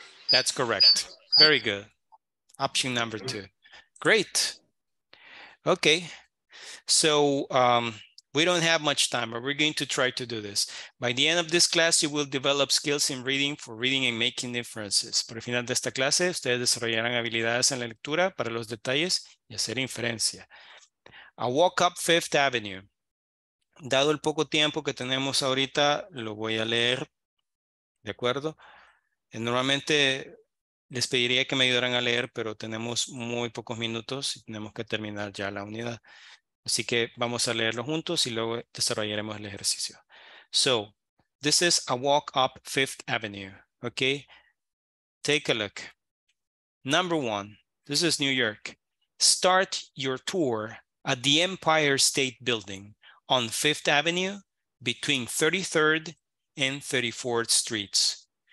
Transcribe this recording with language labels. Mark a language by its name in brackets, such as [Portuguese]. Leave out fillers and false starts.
[English] That's correct. Very good. Option number two. Great. Okay. So we don't have much time, but we're going to try to do this. By the end of this class, you will develop skills in reading for reading and making inferences. [Spanish] Por el final de esta clase, ustedes desarrollarán habilidades en la lectura para los detalles y hacer inferencia. I walk up Fifth Avenue. Dado el poco tiempo que tenemos ahorita, lo voy a leer, ¿de acuerdo? Normalmente les pediría que me ayudaran a leer, pero tenemos muy pocos minutos y tenemos que terminar ya la unidad. Así que vamos a leerlo juntos y luego desarrollaremos el ejercicio. [English] So, this is a walk up Fifth Avenue, okay? Take a look. Number one, this is New York. Start your tour at the Empire State Building on Fifth Avenue between 33rd and 34th Streets.